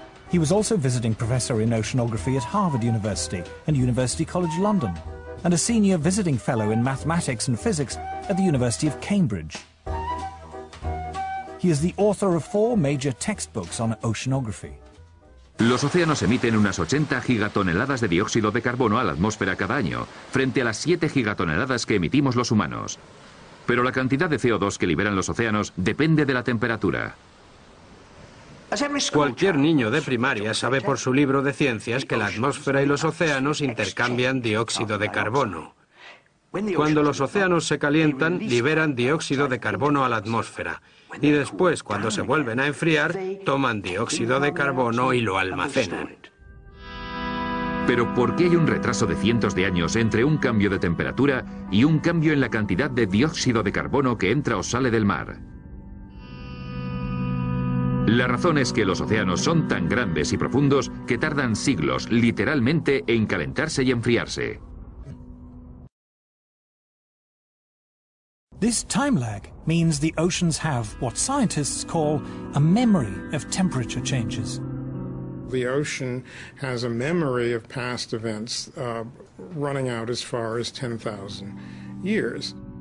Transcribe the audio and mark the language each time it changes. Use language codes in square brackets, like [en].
[en] He was also visiting professor in oceanography at Harvard University and University College London, and a senior visiting fellow in mathematics and physics at the University of Cambridge. He is the author of four major textbooks on oceanography. [es] Los océanos emiten unas 80 gigatoneladas de dióxido de carbono a la atmósfera cada año, frente a las 7 gigatoneladas que emitimos los humanos. Pero la cantidad de CO2 que liberan los océanos depende de la temperatura. Cualquier niño de primaria sabe por su libro de ciencias que la atmósfera y los océanos intercambian dióxido de carbono. Cuando los océanos se calientan, liberan dióxido de carbono a la atmósfera. Y después, cuando se vuelven a enfriar, toman dióxido de carbono y lo almacenan. Pero ¿por qué hay un retraso de cientos de años entre un cambio de temperatura y un cambio en la cantidad de dióxido de carbono que entra o sale del mar? La razón es que los océanos son tan grandes y profundos que tardan siglos, literalmente, en calentarse y enfriarse. [en] This time lag means the oceans have what scientists call a memory of temperature changes. The ocean has a memory of past events running out as far as 10,000 years.